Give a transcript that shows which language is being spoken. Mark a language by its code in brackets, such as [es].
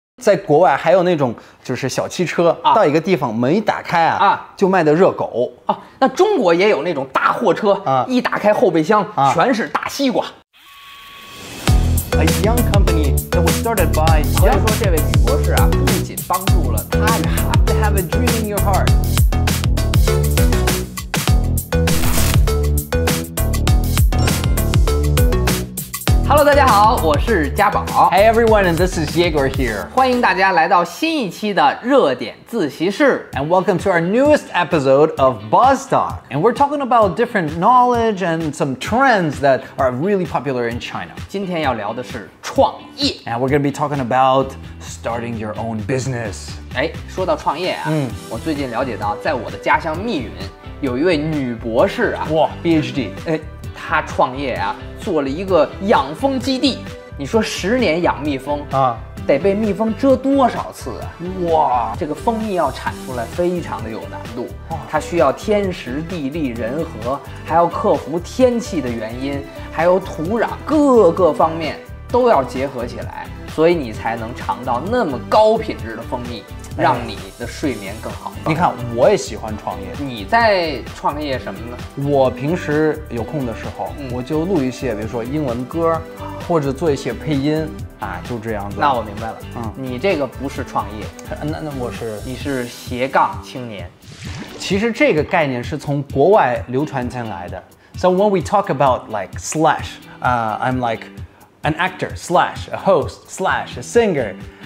[zh] 在国外还有那种就是小汽车、啊、到一个地方门一打开啊就卖的热狗啊。那中国也有那种大货车啊，一打开后备箱、啊、全是大西瓜。 [en] A young company that was started by [zh] 所以说这位女博士啊不仅帮助了她 [en] You have to have a dream in your heart。 [zh] Hello， 大家好，我是嘉宝。 [en] Hey everyone, this is Yegor here。 [zh] 欢迎大家来到新一期的热点自习室。 [en] And welcome to our newest episode of BuzzTalk。 And we're talking about different knowledge and some trends that are really popular in China。 [zh] 今天要聊的是创业。 [en] And we're going to be talking about starting your own business。 [zh] 哎，说到创业啊，嗯，我最近了解到，在我的家乡密云，有一位女博士啊，哇 ，PhD，哎。他创业啊，做了一个养蜂基地。你说十年养蜜蜂啊，得被蜜蜂蛰多少次啊？哇，这个蜂蜜要产出来非常的有难度，哇，它需要天时地利人和，还要克服天气的原因，还有土壤各个方面都要结合起来，所以你才能尝到那么高品质的蜂蜜，让你的睡眠更好。你看，我也喜欢创业。你在创业什么呢？我平时有空的时候，嗯，我就录一些，比如说英文歌，或者做一些配音啊，就这样子。那我明白了，嗯，你这个不是创业，那我是，你是斜杠青年。其实这个概念是从国外流传进来的。 [en] So when we talk about like slash, I'm like an actor slash a host slash a singer.